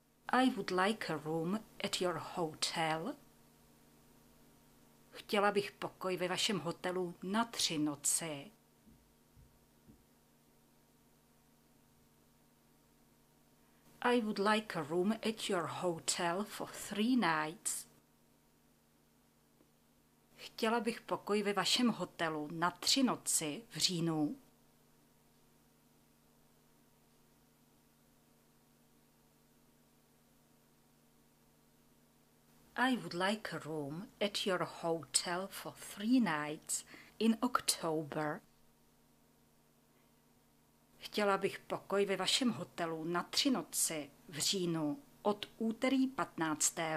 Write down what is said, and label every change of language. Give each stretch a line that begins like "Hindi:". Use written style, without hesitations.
English: I would like a room at your hotel.
Czech: Chtěla bych pokoj ve vašem hotelu na 3 noci.
English: I would like a room at your hotel for 3 nights.
Czech: Chtěla bych pokoj ve vašem hotelu na 3 noci v říjnu.
English: I would like a room at your hotel for 3 nights in October.
Czech: Chtěla bych pokoj ve vašem hotelu na 3 noci v říjnu od úterý 15.